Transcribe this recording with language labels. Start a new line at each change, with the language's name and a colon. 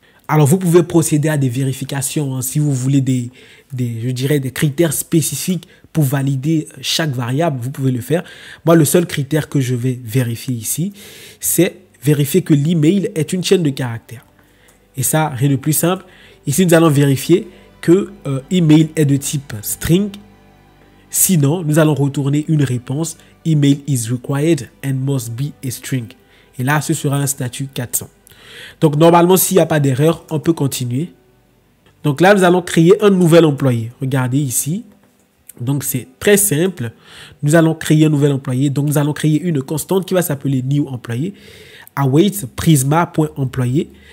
French: Alors, vous pouvez procéder à des vérifications, hein, si vous voulez des critères spécifiques pour valider chaque variable, vous pouvez le faire. Moi, le seul critère que je vais vérifier ici, c'est vérifier que l'email est une chaîne de caractères. Et ça, rien de plus simple. Ici, nous allons vérifier que email est de type string. Sinon, nous allons retourner une réponse.
English: Email is required and must be a string.
French: Et là, ce sera un statut 400. Donc, normalement, s'il n'y a pas d'erreur, on peut continuer. Donc là, nous allons créer un nouvel employé. Regardez ici. Donc, c'est très simple. Nous allons créer un nouvel employé. Donc, nous allons créer une constante qui va s'appeler new employé. Await prisma.employé.